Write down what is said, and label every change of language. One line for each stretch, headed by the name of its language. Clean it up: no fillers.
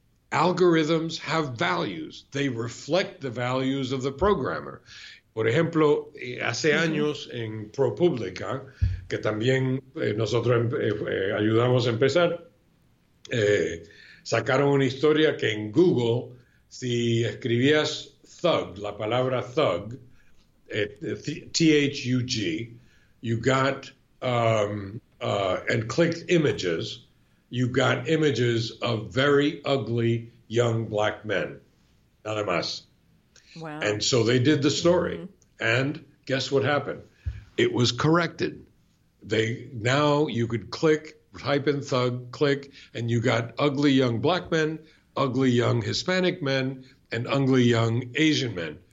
English: Algorithms have values. They reflect the values of the programmer.
Spanish: Por ejemplo, hace años en ProPublica, que también nosotros ayudamos a empezar, sacaron una historia que en Google, si escribías thug, la palabra thug, T-H-U-G,
English: you got, and clicked images, you got images of very ugly young black men,
Spanish: nada más.
English: Wow. And so they did the story. Mm-hmm. And guess what happened? It was corrected. Now you could click, type in thug, click, and you got ugly young black men, ugly young Hispanic men, and ugly young Asian men.